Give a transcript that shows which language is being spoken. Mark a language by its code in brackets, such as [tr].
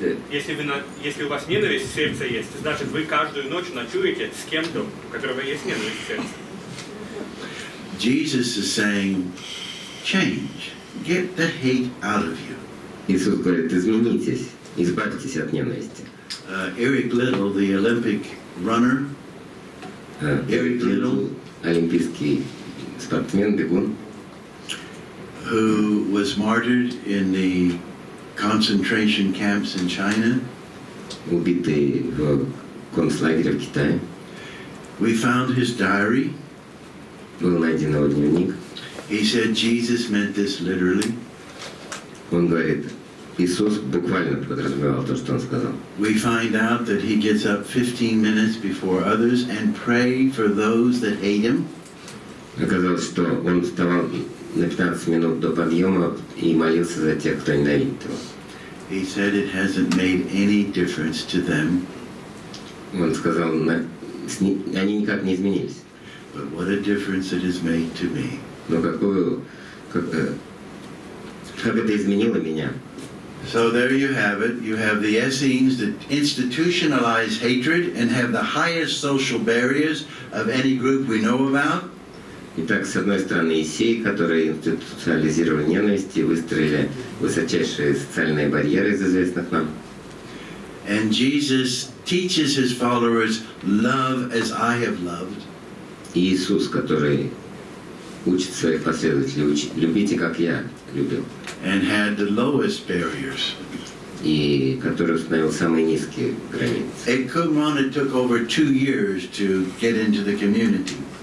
[ru] Если у вас ненависть в сердце есть, значит вы каждую ночь ночуете с кем-то, у которого есть ненависть в сердце. [en] Jesus is saying, change, get the hate out of you. [ru] Иисус говорит, изменитесь, избавьтесь от ненависти. [en] Eric Little, the Olympic runner. [ru] Eric Little, олимпийский спортсмен, бегун. [en] Who was martyred in the concentration camps in China. [ru] Убитый в концлагере в Китае. [en] We found his diary. [ru] Был найден его дневник. [en] He said Jesus meant this literally. [ru] Он говорит, Иисус буквально подразумевал то, что он сказал. [en] We find out that he gets up 15 minutes before others and pray for those that hate him. [ru] Оказалось, что он вставал на 15 минут до подъема и молился за тех, кто ненавидит его. [en] He said it hasn't made any difference to them. [ru] Он сказал, они никак не изменились. [en] But what a difference it has made to me. [ru] Но как это изменило меня? [en] So there you have it. You have the Essenes that institutionalize hatred and have the highest social barriers of any group we know about. [ru] Итак, с одной стороны, эссеи, которые институционализировали ненависть и выстроили высочайшие социальные барьеры из известных нам. [en] And Jesus teaches his followers love as I have loved. [ru] Иисус, который учит своих последователей, учит, любите, как я любил. [en] And had the lowest barriers. [ru] И который установил самые низкие границы. [en] At Qumran it took over 2 years to get into the community.